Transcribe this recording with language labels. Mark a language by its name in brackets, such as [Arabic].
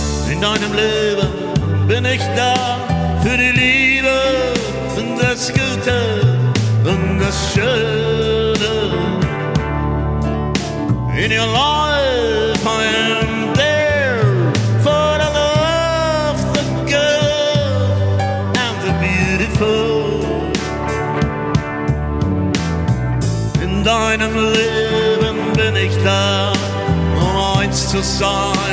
[German] deinem Leben bin ich da für die Liebe und das Gute und das Schöne. [English] In your life I am there for the love, the good and the beautiful. [German] In deinem Leben bin ich da, um eins zu sein.